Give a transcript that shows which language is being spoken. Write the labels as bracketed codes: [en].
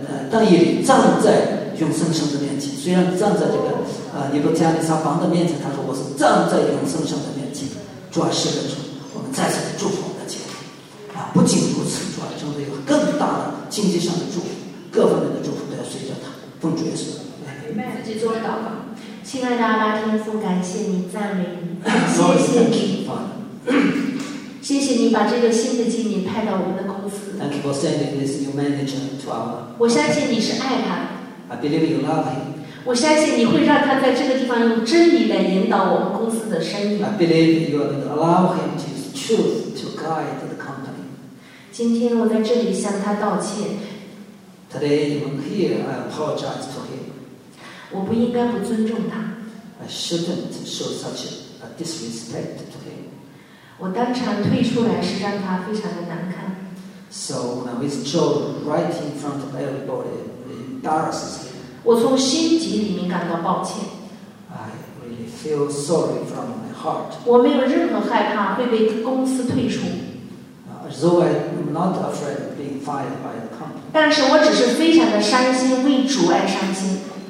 [zh] 当夜里站在永生神的面前，虽然站在这个尼布加尼撒王的面前，他说我是站在永生神的面前，主要是人说我们再次的祝福我们的姐妹啊，不仅如此，主要真的有更大的经济上的祝福，各方面的祝福都要随着他，奉主耶稣来自己做祷告。亲爱的阿爸天父，感谢你赞美你，谢谢你，谢谢你把这个新的经理派到我们的公司。 [en] Thank you for sending this new manager to our. [zh] 我相信你是爱他。 [en] I believe you love him. [zh] 我相信你会让他在这个地方用真理来引导我们公司的生意。 [en] I believe you are going to allow him to use truth to guide the company. [zh] 今天我在这里向他道歉。 [en] Today even here, I apologize to him. [zh] 我不应该不尊重他。 [en] I shouldn't show such a disrespect to him. [zh] 我当场退出来是让他非常的难堪。 [en] So when I withdraw right in front of everybody, it embarrasses him. [zh] 我从心底里面感到抱歉。 [en] I really feel sorry from my heart. [zh] 我没有任何害怕会被公司退出。 [en] Though I'm not afraid of being fired by the company. [zh] 但是我只是非常的伤心，为主而伤心。